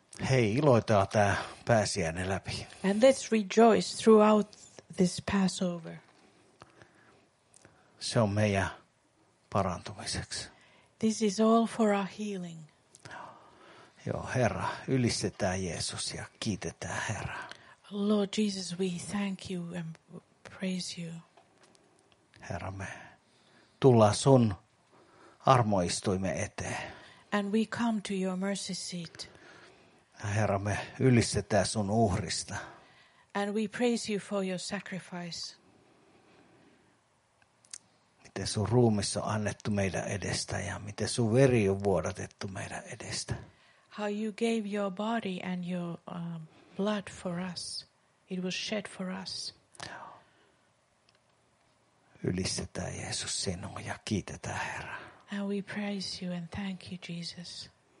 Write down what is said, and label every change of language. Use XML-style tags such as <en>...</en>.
<fi>Hei, iloitaan tämä pääsiäinen läpi.</fi> <en>And let's rejoice throughout this Passover.</en> <fi>Se on meidän parantumiseksi.</fi> <en>This is all for our healing.</en> <fi>Joo, Herra, ylistetään Jeesus ja kiitetään Herra.</fi> <en>Lord Jesus, we thank you and praise you.</en> <fi>Herra, me tullaan sun armoistuimen eteen.</fi> <en>And we come to your mercy seat.</en> <fi>Herra, me ylistetään sun uhrista.</fi> <en>And we praise you for your sacrifice.</en> <fi>Miten sun ruumis on annettu meidän edestä ja miten sun veri on vuodatettu meidän edestä.</fi> <en>How you gave your body and your blood for us. It was shed for us.</en> <fi>Ylistetään Jeesus sinua ja kiitetään Herra.</fi> <en>And we praise you and thank you, Jesus.</en>